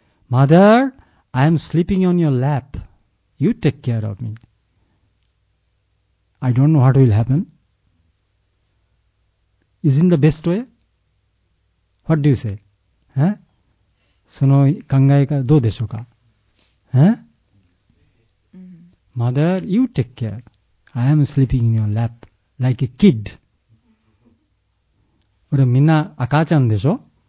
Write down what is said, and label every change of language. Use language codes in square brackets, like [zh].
[en] Mother, I am sleeping on your lap. You take care of me. I don't know what will happen. Isn't the best way? What do you say? [ja] その考えがどうでしょうか？ [en] Mother, you take care. I am sleeping in your lap like a kid. [ja] 俺みんな赤ちゃんでしょ？